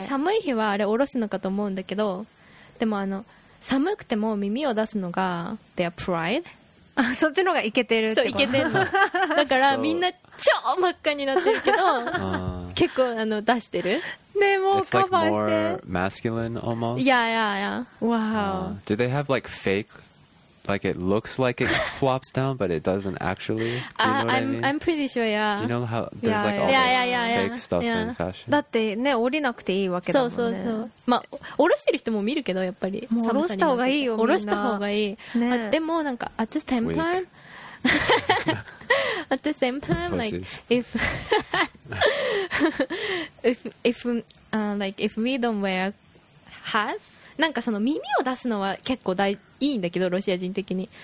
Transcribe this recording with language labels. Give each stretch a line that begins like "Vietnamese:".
Japanese: で寒い日はあれ下ろすのかと思うんだけど、でもあの寒くても耳を出すのが
English: their pride。
Japanese: あ、そっちの方がイケてるってこと。そう、イケてるの。だからみんな超真っ赤になってるけど、結構あの出してる。ね、もうカバーして。
English: It's like more masculine almost. Yeah, yeah, yeah. Wow. Do they have like fake, like it looks like it flops down, but it doesn't actually? Do you know what I mean? I'm pretty sure, yeah. Do you know how there's like all yeah, yeah, yeah, yeah. fake stuff yeah. in fashion?
Japanese: だってね、降りなくていいわけだもんね。そうそうそう。まあ、降ろしてる人も見るけど、やっぱり。もう降ろした方がいいよ、みんな。降ろした方がいい。ね、あでも、なんか、
English: at the same time, at the same time, like, if, like, if we don't wear hats,
Japanese: なんかその耳を出すのは結構いいんだけど、ロシア人的に。